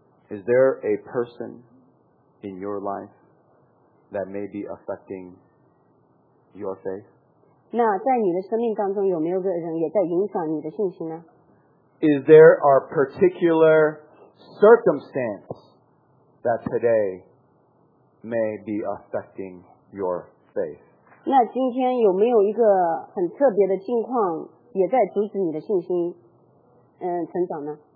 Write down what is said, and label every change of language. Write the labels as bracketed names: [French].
[English] Is there a person in your life? That may be affecting your faith. [Chinese] 那在你的生命当中有没有个人也在影响你的信心呢？ [English] Is there a particular circumstance that today may be affecting your faith? [Chinese] 那今天有没有一个很特别的境况也在阻止你的信心成长呢？